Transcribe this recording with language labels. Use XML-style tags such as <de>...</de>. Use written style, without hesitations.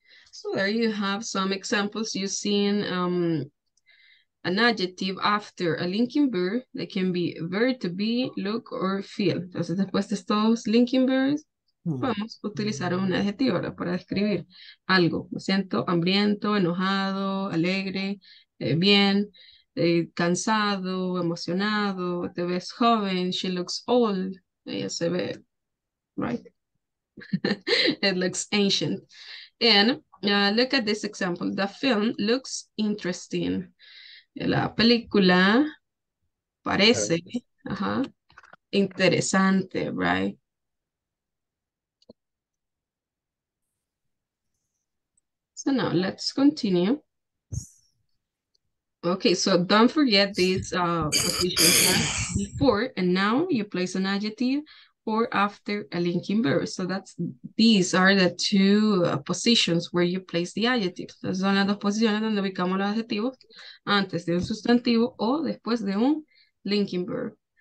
<en>So there you have some examples using an adjective after a linking verb. They can be verb to be, look, or feel.</en> <es>Entonces, después de estos linking verbs, podemos utilizar un adjetivo, ¿verdad? Para describir algo. Me siento hambriento, enojado, alegre, bien. Cansado, emocionado, te ves joven,</es> <en>she looks old,</en> <es>ella se ve, right?</es> <en>It looks ancient. And look at this example, the film looks interesting.</en> <es>La película parece interesante, right?</es> <en>So now let's continue. Okay, so don't forget these positions. Before and now you place an adjective or after a linking verb. So that's these are the two positions where you place the adjective.</en> <es>Entonces son las dos posiciones donde ubicamos los adjetivos antes de un sustantivo o después de un linking verb.</es>